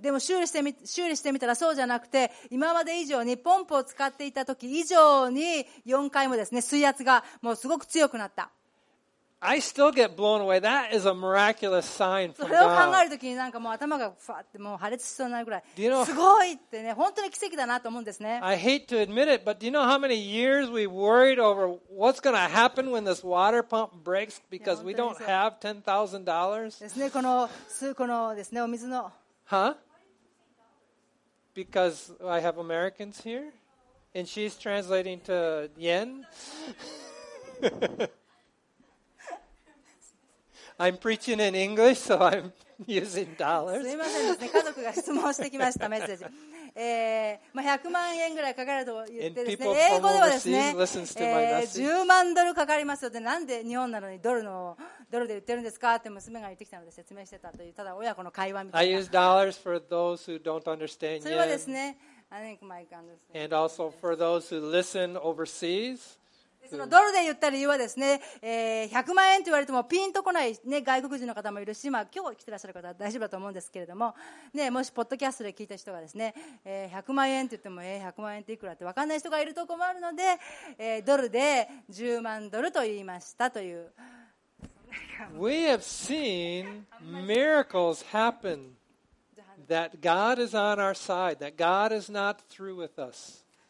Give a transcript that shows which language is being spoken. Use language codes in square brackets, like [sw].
[ja] でも修理してみたらそうじゃなくて、今まで以上にポンプを使っていた時以上に4階もですね、水圧がもうすごく強くなった。 [en] I still get blown away. That is a miraculous sign from God. [ja] それを考えるときになんかもう頭がファッてもう破裂しそうになるぐらい。 [en] Do you know, [ja] すごいってね、本当に奇跡だなと思うんですね。 [en] I hate to admit it, but do you know how many years we worried over what's going to happen when this water pump breaks because we don't have $10,000? [ja] ですね、このですね、お水の。 [en] Huh? Because I have Americans here? And she's translating to yen? I'm preaching in English, so I'm using dollars. [ja] すいませんですね。家族が質問してきました、メッセージ。まあ、100万円ぐらいかかると言ってですね、英語ではですね、10万ドルかかりますよ。で、なんで日本なのにドルで売ってるんですかって娘が言ってきたので説明してたという、ただ親子の会話みたいな。 [en] I use dollars for those who don't understand yet. [ja] それはですね、 [en] I think Mike understands. And also for those who listen overseas. [ja] そのドルで言ったら言うはですね、100万円と言われてもピンとこない、ね、外国人の方もいるし、まあ、今日来てらっしゃる方は大丈夫だと思うんですけれども、ね、もしポッドキャストで聞いた人がですね、100万円と言っても、100万円っていくらって分かんない人がいると困るので、ドルで10万ドルと言いましたという。 [en] We have seen miracles happen that God is on our side, that God is not through with us.